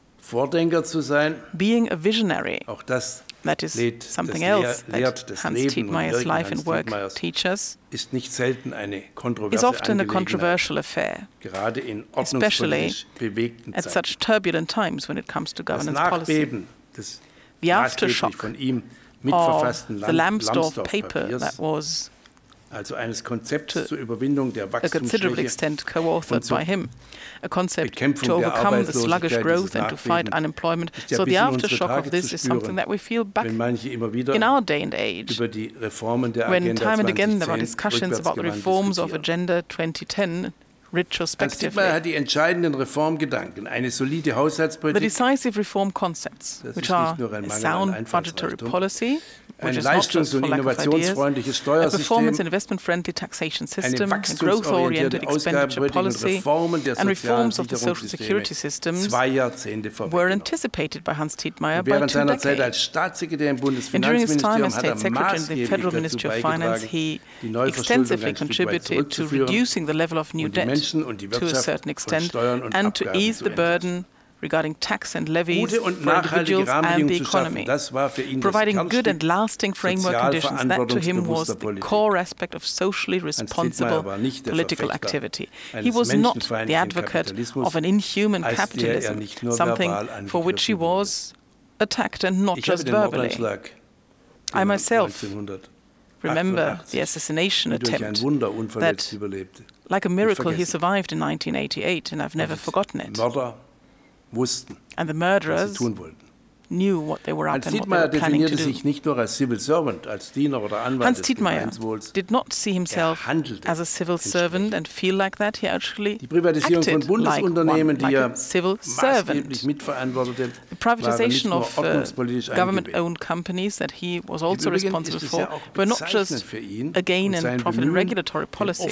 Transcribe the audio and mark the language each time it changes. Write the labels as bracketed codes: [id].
[en] Being a visionary, that is something else that Hans Tietmeyer's life and work teaches, is often a controversial affair, especially at such turbulent times when it comes to governance policy. The aftershock of the Lambsdorff paper that was [de] also eines Konzepts zur Überwindung der Wachstumsschwäche, [en] a considerable extent co-authored by him, a concept to overcome the sluggish growth and to fight unemployment. So the aftershock of this is something that we feel back in our day and age, when time and again there are discussions about the reforms of Agenda 2010 retrospectively. [de] Hans Dittmar hat die entscheidenden Reformgedanken, eine solide Haushaltspolitik. [en] The decisive reform concepts, which are a sound budgetary policy, [de] ein leistungs- und innovationsfreundliches Steuersystem, [en] a performance and investment-friendly taxation system, a growth-oriented expenditure policy, and reforms of the social security systems were anticipated by Hans Tietmeyer by 2 decades. [de] Seiner Zeit als Staatssekretär im Bundesfinanzministerium hat er maßgeblich [en] in the Federal Ministry of Finance, he extensively contributed to reducing the level of new debt to a certain extent and to ease the burden regarding tax and levies for individuals and the economy. Providing good and lasting framework conditions, that to him was the core aspect of socially responsible political activity. He was not the advocate of an inhuman capitalism, something for which he was attacked and not just verbally. I myself remember the assassination attempt that, like a miracle, he survived in 1988, and I've never forgotten it. And the murderers knew what they were up and what they were planning to do. [de] Sich nicht nur als [en] civil servant, [de] als Diener oder Anwalt [en] Hans Tietmeyer did not see himself as a civil servant and feel like that. He actually acted like a civil servant. The privatization of government-owned companies that he was also responsible for were not just a gain in profit and regulatory policy.